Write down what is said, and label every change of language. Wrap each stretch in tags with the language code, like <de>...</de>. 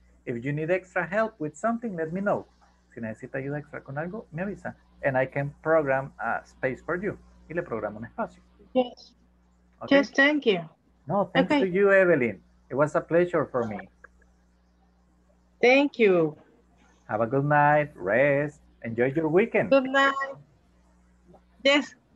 <en>If you need extra help with something, let me know.</en> <es>Si necesita ayuda extra con algo, me avisa.</es> <en>And I can program a space for you.</en> <es>Y le programo un espacio.</es> <en>Yes. Okay? Yes, thank you. No, thanks to you, Evelyn. It was a pleasure for me. Thank you. Have a good night. Rest. Enjoy your weekend. Good night. Yes.</en>